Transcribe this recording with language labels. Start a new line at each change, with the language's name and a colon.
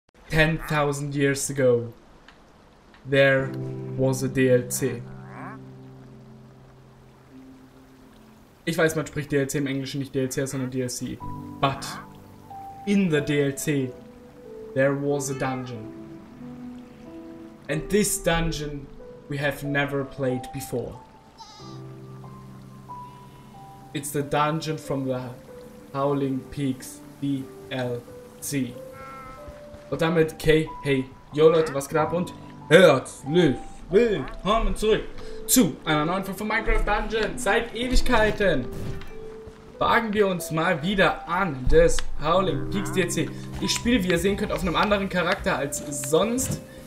English: 10,000 years ago, there was a DLC.
German: Ich weiß, man spricht DLC im Englischen nicht DLC, sondern DLC.
English: But in the DLC, there was a dungeon. And this dungeon we have never played before. It's the dungeon from the Howling Peaks DLC.
German: Und damit, okay, hey, yo Leute, was geht ab und herzlich willkommen zurück zu einer neuen Folge von Minecraft Dungeons. Seit Ewigkeiten wagen wir uns mal wieder an das Howling Peaks DLC. Ich spiele, wie ihr sehen könnt, auf einem anderen Charakter als sonst.